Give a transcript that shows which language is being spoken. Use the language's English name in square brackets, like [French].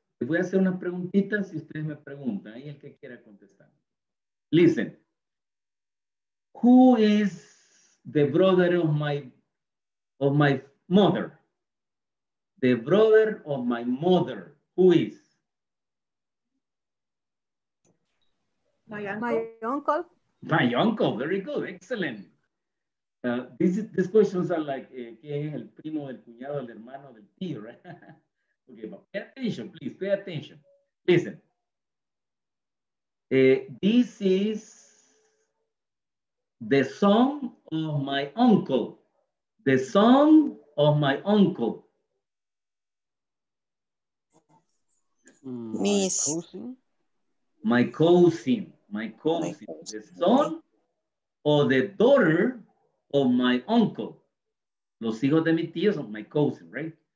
[Spanish] Te voy a hacer una preguntita si ustedes me preguntan, ahí el que quiera contestar. [English] Listen, who is the brother of my mother? The brother of my mother, who is? My uncle. My uncle, very good, excellent. These questions are like, [Spanish] ¿quién es el primo, el cuñado, el hermano, del tío, [English] right? Okay, but pay attention, please, pay attention. Listen. This is the son of my uncle. The son of my uncle. My cousin. The son or the daughter of my uncle. [Spanish] Los hijos de mi tío son [English] my cousin, right?